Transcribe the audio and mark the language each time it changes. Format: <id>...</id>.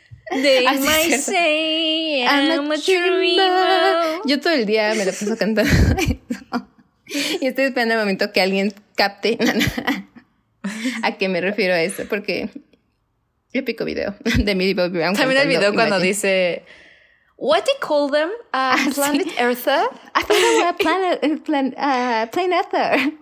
<en>They might say I'm a dreamer.</en> <es>Yo todo el día me la paso cantando. Y estoy esperando el momento que alguien capte a qué me refiero a esto, porque épico video de Millie Bobby Brown. También el video cuando dice</es> <en>What do you call them? Planet Eartha? I thought it was Plain Eartha.</en>